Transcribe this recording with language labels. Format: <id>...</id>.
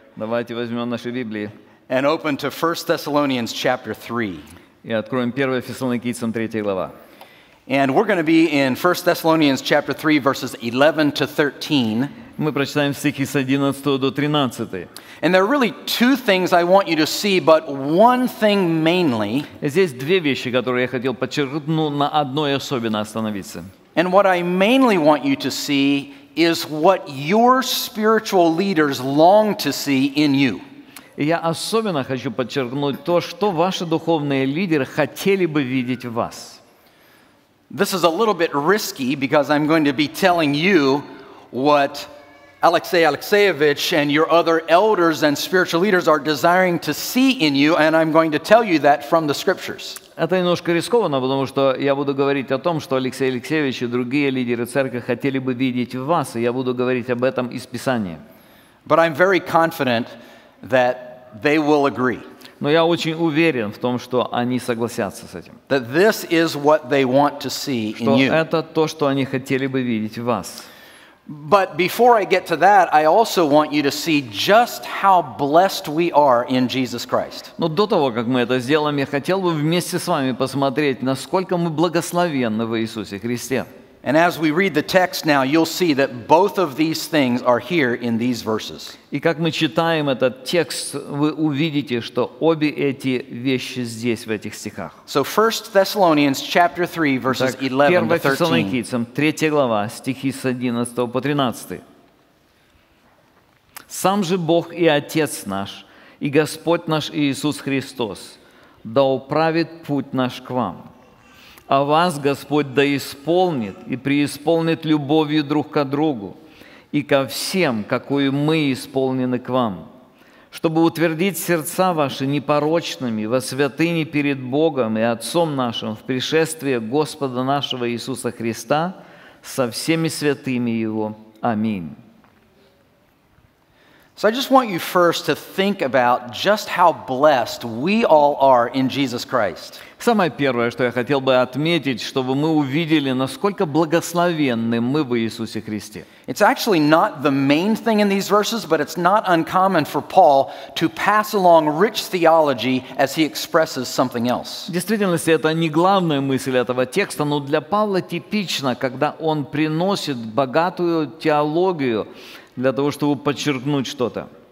<ru>Давайте возьмем наши Библии.</ru> <en>And open to 1 Thessalonians chapter 3.</en> <ru>И откроем 1 Фессалоникийцам 3 глава.</ru> <en>And we're going to be in 1 Thessalonians chapter 3 verses 11 to 13.</en> <ru>Мы прочитаем стихи с 11 до 13.</ru> <en>And there are really two things I want you to see, but one thing mainly.</en> <ru>Здесь две вещи, которые я хотел подчеркнуть, но на одной особенно остановиться.</ru> <en>And what I mainly want you to see is what your spiritual leaders long to see in you.</en> <ru>Я особенно хочу подчеркнуть то, что ваши духовные лидеры хотели бы видеть в вас.</ru> <en>This is a little bit risky because I'm going to be telling you what Alexey Alexeyevich and your other elders and spiritual leaders are desiring to see in you, and I'm going to tell you that from the scriptures.</en> <ru>Это немножко рискованно, потому что я буду говорить о том, что Алексей Алексеевич и другие лидеры церкви хотели бы видеть в вас, и я буду говорить об этом из Писания.</ru> <en>But I'm very confident that they will agree.</en> <ru>Но я очень уверен в том, что они согласятся с этим.</ru> <en>That this is what they want to see in you.</en> <ru>Что это то, что они хотели бы видеть в вас.</ru> <en>But before I get to that, I also want you to see just how blessed we are in Jesus Christ.</en> <ru>Но до того, как мы это сделаем, я хотел бы вместе с вами посмотреть, насколько мы благословенны в Иисусе Христе.</ru> <en>And as we read the text now, you'll see that both of these things are here in these verses.</en> <ru>И как мы читаем этот текст, вы увидите, что обе эти вещи здесь, в этих стихах.</ru> <en>So 1 Thessalonians chapter 3, verses 11 to 13.</en> <ru>1 Фессалоникийцам, 3 глава, стихи с 11 по 13. «Сам же Бог и Отец наш, и Господь наш Иисус Христос, да управит путь наш к вам». А вас Господь да исполнит и преисполнит любовью друг к другу и ко всем, какую мы исполнены к вам, чтобы утвердить сердца ваши непорочными во святыне перед Богом и Отцом нашим в пришествие Господа нашего Иисуса Христа со всеми святыми Его. Аминь.</ru> <en>So I just want you first to think about just how blessed we all are in Jesus Christ.</en> <ru>Самое первое, что я хотел бы отметить, чтобы мы увидели, насколько благословенны мы в Иисусе Христе.</ru> <en>It's actually not the main thing in these verses, but it's not uncommon for Paul to pass along rich theology as he expresses something else.</en> <ru>В действительности, это не главная мысль этого текста, но для Павла типично, когда он приносит богатую теологию для того, чтобы подчеркнуть что-то.</ru>